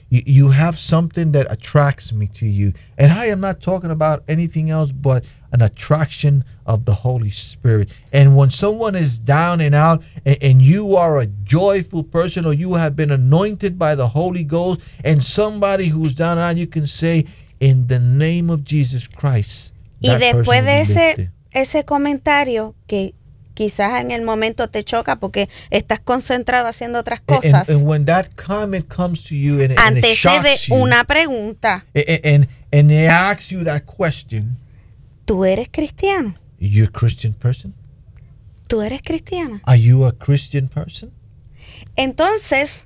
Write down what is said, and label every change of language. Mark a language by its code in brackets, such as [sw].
[en] You have something that attracts me to you. And I am not talking about anything else but an attraction of the Holy Spirit. And when someone is down and out, and you are a joyful person, or you have been anointed by the Holy Ghost, and somebody who's down and out, you can say, in the name of Jesus Christ, [es] y después de ese comentario que quizás en el momento te choca porque estás concentrado haciendo otras cosas, [en] and when that comment comes to you [es] antecede una pregunta, [en] and they ask you that question, [es] ¿tú eres cristiano? [en] You're a Christian person? [es] ¿Tú eres cristiano? [en] Are you a Christian person? [es] Entonces,